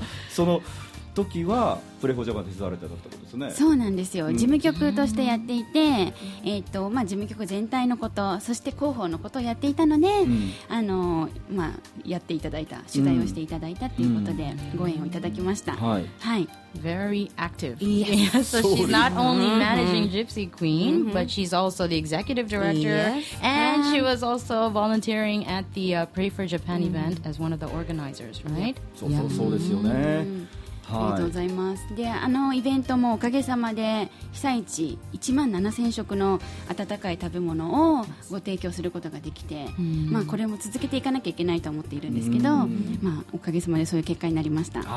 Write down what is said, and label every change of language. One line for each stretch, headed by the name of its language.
Japanese: その時はプレイフォージャパンで手伝われてたってことですね。そうなんですよ、事務局としてやっていて、まあ、事務局全体のことそして広報のことをやっていたので、あの、まあ、やっていただいた取材をしていただいたということでご縁をいただきました。はい、はい、
English: Very active. Yes. So she's not only managing Gypsy Queen, but she's also the executive director. And she was also volunteering at the Pray for Japan event as one of the organizers, right?
Japanese: そうそうそうですよね。はい、ありがとうございます。であのイベントもおかげさまで被災地1万7000食の温かい食べ物をご提供することができて、まあ、これも続けていかなきゃいけないと思っているんですけど、まあ、おかげさまでそういう結果になりました。